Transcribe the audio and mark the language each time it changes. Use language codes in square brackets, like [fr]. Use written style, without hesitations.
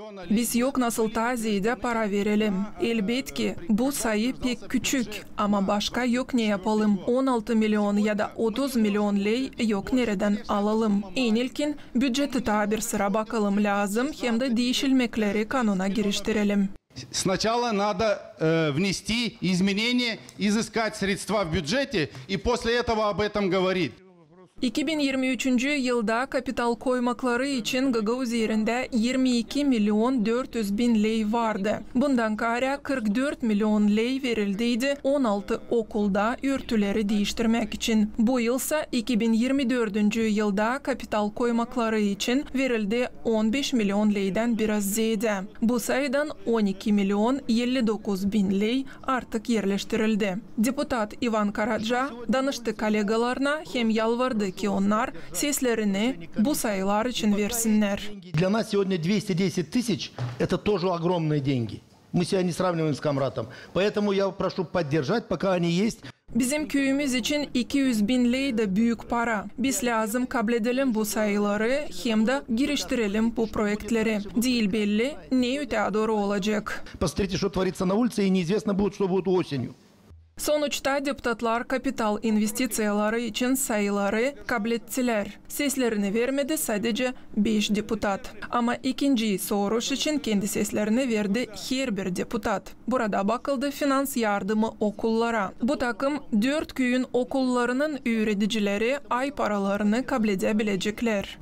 [gag] Biz yok nasıl taziyede para verelim. Elbet ki bu sayı pek küçük ama başka yok ne yapalım. 16 milyon ya da 30 milyon lei yok nereden alalım. En ilkin bütçeti tabir sıra bakalım lazım, hem de değişilmekleri kanuna giriştirelim. [ru] Сначала надо внести изменения, изыскать средства в бюджете и после этого об этом говорить. [gag] 2023 yılda kapital koymakları için Gagauz yerinde 22 milyon 400 bin lei vardı. Bundan kare 44 milyon lei verildiydi 16 okulda örtüleri değiştirmek için. Bu yılsa 2024 yılda kapital koymakları için verildi 15 milyon lei'den biraz ziyade. Bu sayıdan 12 milyon 59 bin lei artık yerleştirildi. Deputat Ivan Karadja danıştı kolegalarına, hem yalvardı ki onlar seslerini bu sayılar için versinler. [ru] Для нас сегодня 210 тысяч – это тоже огромные деньги. Мы себя не сравниваем с Камрадом. Поэтому я прошу поддержать, пока они есть. [gag] Bizim köyümüz için 200 bin lei de büyük para. Biz lazım kabul edelim bu sayıları, hem de giriştirelim bu projeleri. Değil belli neye daha doğru olacak. [ru] Посмотрите, что творится на улице, и неизвестно будет, что будет осенью. [gag] Sonuçta deputatlar kapital investisyonları için sayıları kabul ettiler. Seslerini vermedi sadece 5 deputat. Ama ikinci soruş için kendi seslerini verdi her bir deputat. Burada bakıldı finans yardımı okullara. Bu takım 4 köyün okullarının üreticileri ay paralarını kabul edebilecekler.